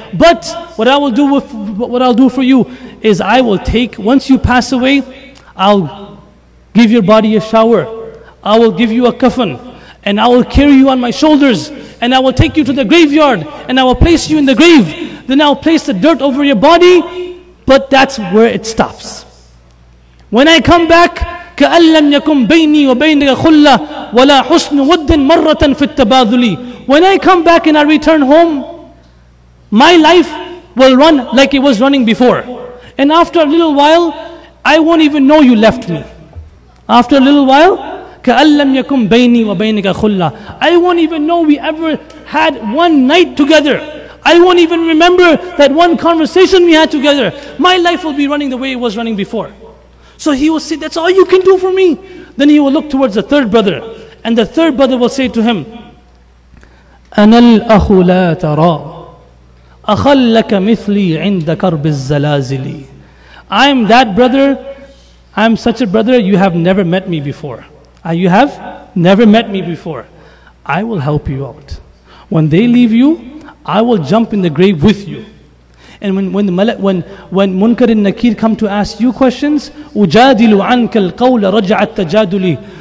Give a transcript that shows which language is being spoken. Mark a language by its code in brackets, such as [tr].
[en] But what I'll do for you is I will take, once you pass away, I'll give your body a shower. I will give you a kafan. And I will carry you on my shoulders. And I will take you to the graveyard. And I will place you in the grave. Then I'll place the dirt over your body. But that's where it stops. When I come back, [ar] كَأَنْ لَمْ يَكُمْ بَيْنِي وَبَيْنِكَ خُلَّةِ وَلَا حُسْنُ وَدٍّ مَرَّةً فِي التَّبَاذُلِ. [en] When I come back and I return home, my life will run like it was running before. And after a little while, I won't even know you left me. After a little while, [ar] كَأَنْ لَمْ يَكُمْ بَيْنِي وَبَيْنِكَ خُلَّةِ. [en] I won't even know we ever had one night together. I won't even remember that one conversation we had together. My life will be running the way it was running before. So he will say, that's all you can do for me. Then he will look towards the third brother. And the third brother will say to him, [ar] أَنَا الْأَخُ لَا تَرَى أَخَلَّكَ مِثْلِي عِنْدَ كَرْبِ الزَّلَازِلِ. [en] I'm that brother. I'm such a brother. You have never met me before. You have never met me before. I will help you out. When they leave you, I will jump in the grave with you. And when Munkar and Nakir come to ask you questions, [ar] أُجَادِلُ عَنْكَ الْقَوْلَ رَجَعَتْ تَجَادُلِي.